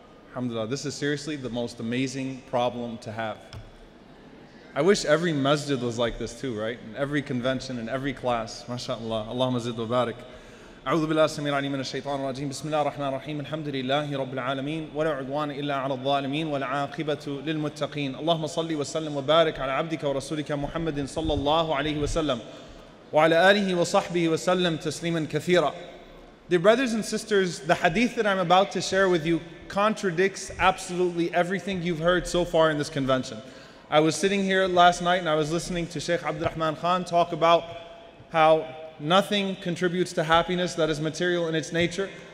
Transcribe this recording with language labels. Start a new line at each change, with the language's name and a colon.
English: Alhamdulillah, this is seriously the most amazing problem to have. I wish every masjid was like this too, right? And every convention and every class, MashaAllah.
Arabic: Allahumma zid wa barak. أعوذ بالله السميع العليم من الشيطان الرجيم بسم الله الرحمن الرحيم الحمد لله رب العالمين ولا عدوان إلا على الظالمين والعاقبة للمتقين اللهم صل وسلم وبارك على عبدك ورسولك محمد صلى الله عليه وسلم وعلى آله وصحبه وسلم تسليما كثيرا.
English: Dear brothers and sisters, the hadith that I'm about to share with you contradicts absolutely everything you've heard so far in this convention. I was sitting here last night and I was listening to Sheikh Abdul Rahman Khan talk about how nothing contributes to happiness that is material in its nature.